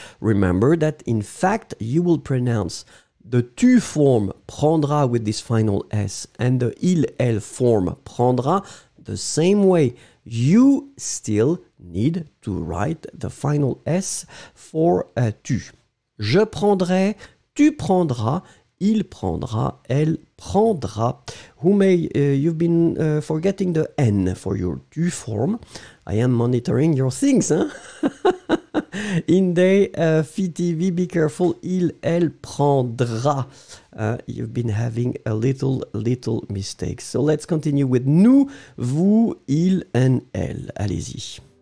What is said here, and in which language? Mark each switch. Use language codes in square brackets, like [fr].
[en] Remember that in fact you will pronounce the tu form prendra with this final S and the il, elle form prendra the same way. You still need to write the final S for tu. [fr] Je prendrai, tu prendras, il prendra, elle prendra. [en] You've been forgetting the N for your tu form. I am monitoring your things, hein? In day, FITV, be careful, [fr] il, elle prendra. [en] You've been having a little mistake. So let's continue with nous, vous, il, and elle. [fr] Allez-y.